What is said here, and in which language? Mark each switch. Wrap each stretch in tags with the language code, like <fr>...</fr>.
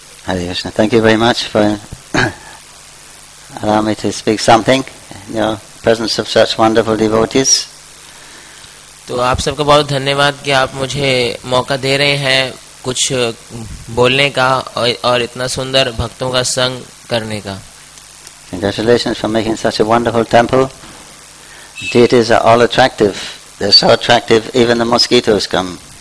<en>Hare Krishna, thank you very much for allowing me to speak something in your presence of such wonderful devotees.</en> <hi>तो आप सबका बहुत धन्यवाद कि आप मुझे मौका दे रहे हैं कुछ बोलने का और इतना सुंदर भक्तों का संग करने का.</hi> <en>Congratulations for making such a wonderful temple. Deities are all attractive. They're so attractive, even the mosquitoes come.</en>